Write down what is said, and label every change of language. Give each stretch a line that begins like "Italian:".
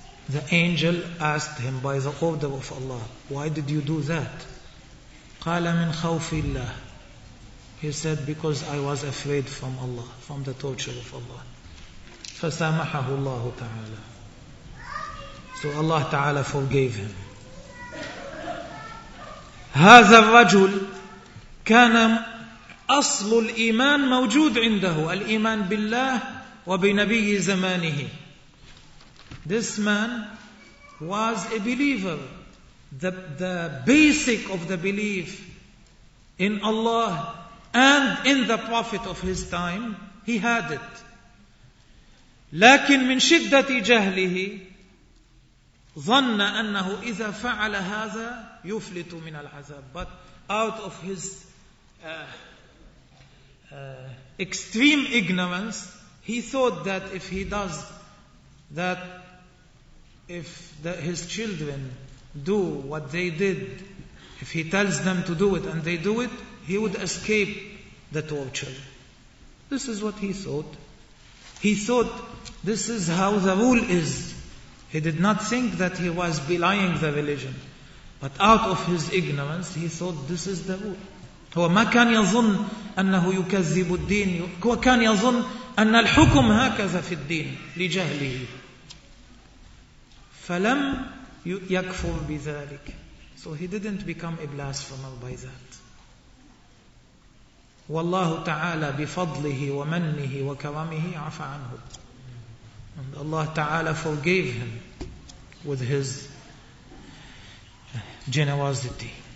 English: The angel asked him by the order of Allah, why did you do that?
Arabic: قَالَ مِنْ خَوْفِ اللَّهِ.
English: He said, because I was afraid from Allah, from the torture of Allah.
Arabic: فَسَامَحَهُ اللَّهُ تَعَالَى.
English: So Allah Ta'ala forgave him.
Arabic: هذا الرجل كان أصل الإيمان موجود عنده. الإيمان بالله وبنبي زمانه.
English: This man was a believer. The basic of the belief in Allah and in the Prophet of his time, he had it.
Arabic: لكن من شدة جهله ظن أنه إذا فعل هذا يفلت من العذاب.
English: But out of his extreme ignorance, he thought that if he does that, if his children do what they did, if he tells them to do it and they do it, he would escape the torture. This is what he thought. He thought this is how the rule is. He did not think that he was belying the religion. But out of his ignorance, he thought this is the rule.
Arabic: وما كان يظن أنه يكذب الدين وكان يظن أن الحكم هكذا في الدين لجهله فلم يكفر بذلك.
English: So he didn't become a blasphemer by that.
Arabic: والله تعالى بفضله ومنه وكرمه عفى عنه.
English: And Allah Ta'ala forgave him with his generosity.